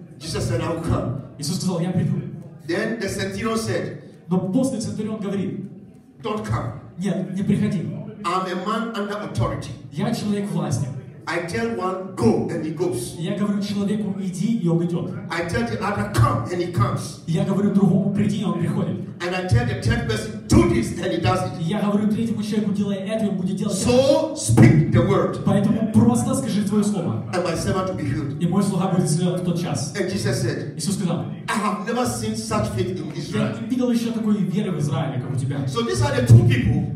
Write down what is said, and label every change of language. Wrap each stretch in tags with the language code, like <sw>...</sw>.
<en>Jesus said, I will come.</en> <ru>Иисус сказал, я приду.</ru> <en>Then the centurion said.</en> <ru>Но после центурион говорит.</ru> <en>Don't come.</en> <ru>Нет, не приходи.</ru> <en>I'm a man under authority.</en> <ru>Я человек власти.</ru> <en>I tell one go and he goes.</en> <ru>Я говорю человеку иди и он идет.</ru> <en>I tell the other come and he comes.</en> <ru>Я говорю другому приди и он приходит.</ru> <en>And I tell the third person do this and he does it.</en> <ru>Я говорю третьему человеку делай это и он будет делать.</ru> <en>So speak the word.</en> <ru>Поэтому просто скажи твое слово.</ru> <en>And my servant will be healed.</en> <ru>И мой слуга будет исцелен в тот час.</ru> <en>And Jesus said.</en> <ru>Иисус сказал.</ru> <en>I have never seen such faith in Israel.</en> <ru>Я не видел еще такой веры в Израиле, как у тебя.</ru> <en>So these are the two people.</en>